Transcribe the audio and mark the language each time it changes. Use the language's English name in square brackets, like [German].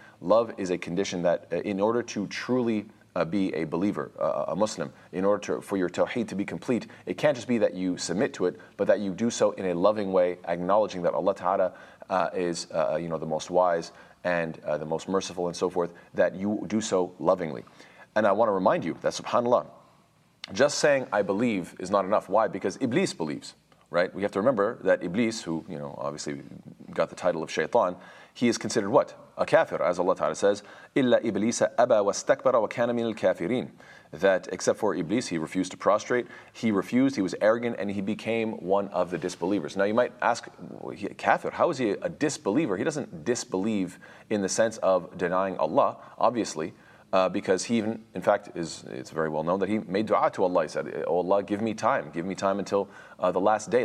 [English] Love is a condition that in order to truly be a believer, a Muslim, in order for your Tawheed to be complete, it can't just be that you submit to it, but that you do so in a loving way, acknowledging that Allah Ta'ala is the most wise and the most merciful and so forth, that you do so lovingly. And I want to remind you that subhanAllah, just saying I believe is not enough. Why? Because Iblis believes. Right, we have to remember that Iblis, who obviously got the title of Shaytan, he is considered what? A kafir, as Allah Ta'ala says, [Arabic] إِلَّا إِبْلِيسَ أَبَى وَاسْتَكْبَرَ وَكَانَ مِنَ الْكَافِرِينَ. [English] That except for Iblis, he refused to prostrate, he refused, he was arrogant, and he became one of the disbelievers. Now you might ask, kafir, how is he a disbeliever? He doesn't disbelieve in the sense of denying Allah, obviously. because he, in fact, it's very well known that he made dua to Allah. He said, "Oh Allah, give me time until the last day.